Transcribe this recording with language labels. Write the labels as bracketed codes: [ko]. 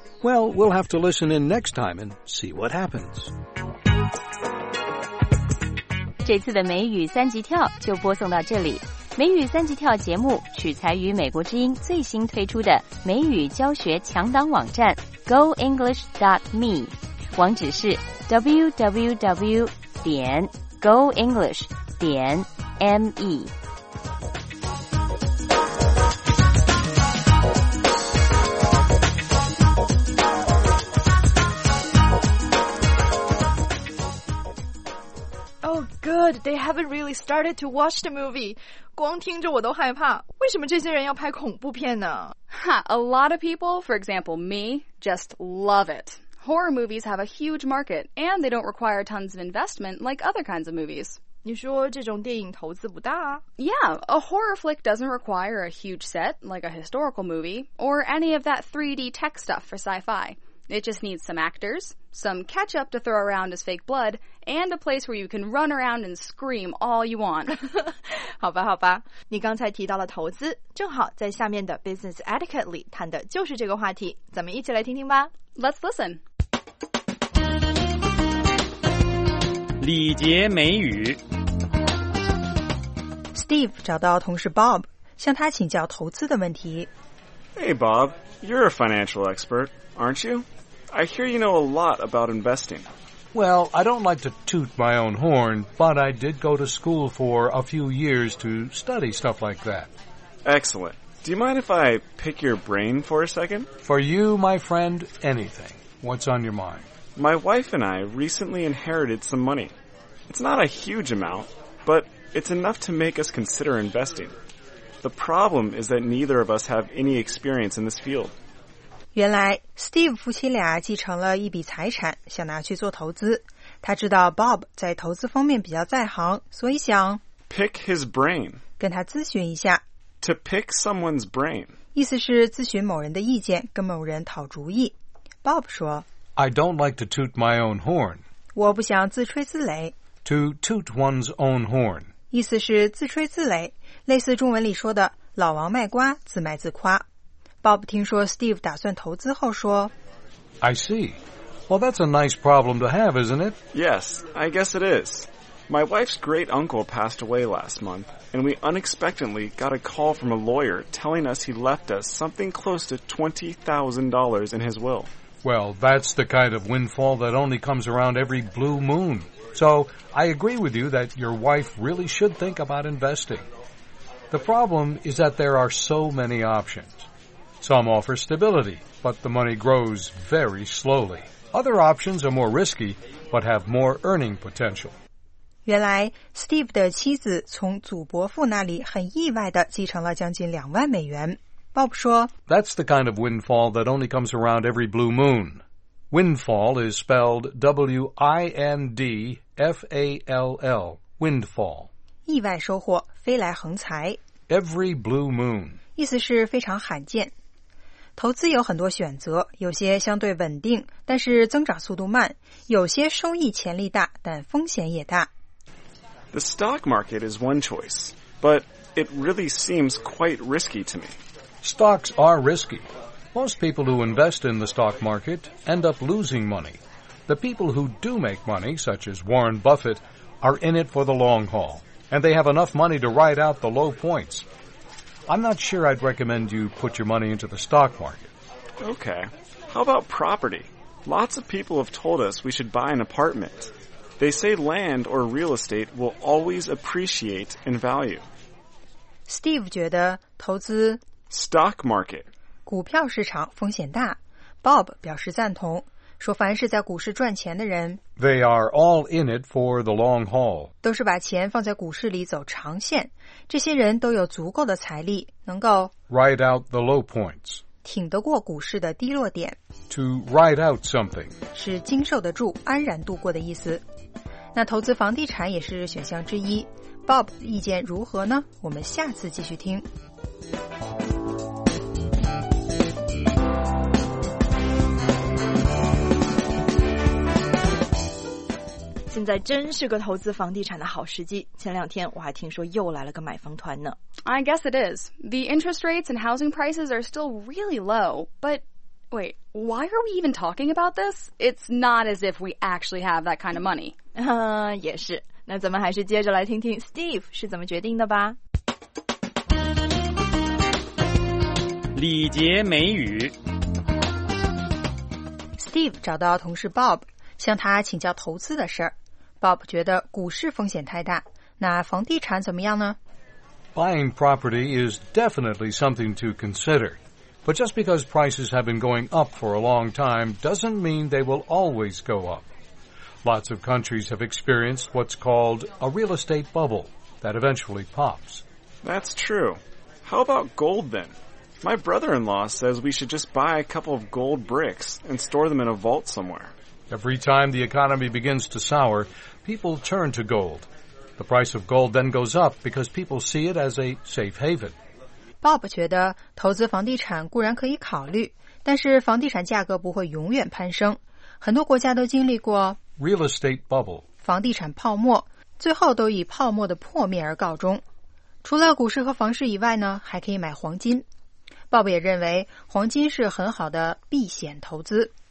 [en] Well, we'll have to listen in next time and see what happens. [zh] 这次的美语三级跳就播送到这里。美语三级跳节目取材于美国之音最新推出的美语教学强档网站 goenglish.me， 网址是 www.goenglish.me。 [en] Good, they haven't really started to watch the movie. [zh] 光听着我都害怕，为什么这些人要拍恐怖片呢？ [en] A lot of people, for example me, just love it. Horror movies have a huge market, and they don't require tons of investment like other kinds of movies. [zh] 你说这种电影投资不大啊？ [en] Yeah, a horror flick doesn't require a huge set, like a historical movie, or any of that 3D tech stuff for sci-fi. It just needs some actors, some ketchup to throw around as fake blood, and a place where you can run around and scream all you want. [zh] 好吧，好吧，你刚才提到了投资，正好在下面的 [en] Business Etiquette [zh] 里谈的就是这个话题，咱们一起来听听吧。 [en] Let's listen. [zh] 礼节美语。 Steve 找到同事 Bob， 向他请教投资的问题。 [en] Hey, Bob, you're a financial expert, aren't you? I hear you know a lot about investing. Well, I don't like to toot my own horn, but I did go to school for a few years to study stuff like that. Excellent. Do you mind if I pick your brain for a second? For you, my friend, anything. What's on your mind? My wife and I recently inherited some money. It's not a huge amount, but it's enough to make us consider investing. The problem is that neither of us have any experience in this field. [zh] 原来 Steve 夫妻俩继承了一笔财产，想拿去做投资。他知道 Bob 在投资方面比较在行，所以想 [en] pick his brain， [zh] 跟他咨询一下。 [en] To pick someone's brain， [zh] 意思是咨询某人的意见，跟某人讨主意。 Bob 说 [en] ，I don't like to toot my own horn， [zh] 我不想自吹自擂。 [en] To toot one's own horn， [zh] 意思是自吹自擂。类似中文里说的老王卖瓜自卖自夸。Bob 听说 Steve 打算投资后说 [en] I see. Well, that's a nice problem to have, isn't it? Yes, I guess it is. My wife's great uncle passed away last month, and we unexpectedly got a call from a lawyer telling us he left us something close to $20,000 in his will. Well, that's the kind of windfall that only comes around every blue moon. So, I agree with you that your wife really should think about investing. The problem is that there are so many options. Some offer stability, but the money grows very slowly. Other options are more risky, but have more earning potential. [zh] 原来 Steve 的妻子从祖伯父那里很意外地继承了将近两万美元。 Bob 说 [en] That's the kind of windfall that only comes around every blue moon. Windfall is spelled W-I-N-D-F-A-L-L, windfall. [zh] 意外收获，飞来横财。 [en] Every blue moon， [zh] 意思是非常罕见。投资有很多选择，有些相对稳定，但是增长速度慢；有些收益潜力大，但风险也大。 [en] The stock market is one choice, but it really seems quite risky to me. Stocks are risky. Most people who invest in the stock market end up losing money. The people who do make money, such as Warren Buffett, are in it for the long haul. And they have enough money to ride out the low points. I'm not sure I'd recommend you put your money into the stock market. Okay. How about property? Lots of people have told us we should buy an apartment. They say land or real estate will always appreciate in value. [zh] Steve 觉得投资 [en] Stock market [zh] 股票市场风险大。 Bob 表示赞同，说凡是在股市赚钱的人 [en] They are all in it for the long haul. [zh] 都是把钱放在股市里走长线。这些人都有足够的财力，能够 [en] Ride out the low points. [zh] 挺得过股市的低落点。 [en] To ride out something. [zh] 是经受得住，安然度过的意思。那投资房地产也是选项之一。 Bob 意见如何呢？我们下次继续听。现在真是个投资房地产的好时机。前两天我还听说又来了个买房团呢。 [en] I guess it is. The interest rates and housing prices are still really low. But wait, why are we even talking about this? It's not as if we actually have that kind of money. [zh] 也是。那咱们还是接着来听听 Steve 是怎么决定的吧。礼节美语。 Steve 找到同事 Bob， 向他请教投资的事儿。 Bob 觉得股市风险太大，那房地产怎么样呢？ [en] Buying property is definitely something to consider. But just because prices have been going up for a long time doesn't mean they will always go up. Lots of countries have experienced what's called a real estate bubble that eventually pops. That's true. How about gold then? My brother-in-law says we should just buy a couple of gold bricks and store them in a vault somewhere. Every time the economy begins to sour, people turn to gold. The price of gold then goes up because people see it as a safe haven. [zh] Bob 觉得投资房地产固然可以考虑，但是房地产价格不会永远攀升。很多国家都经历过 [en] real estate bubble [zh] 房地产泡沫，最后都以泡沫的破灭而告终。除了股市和房市以外呢，还可以买黄金。Bob 也认为黄金是很好的避险投资。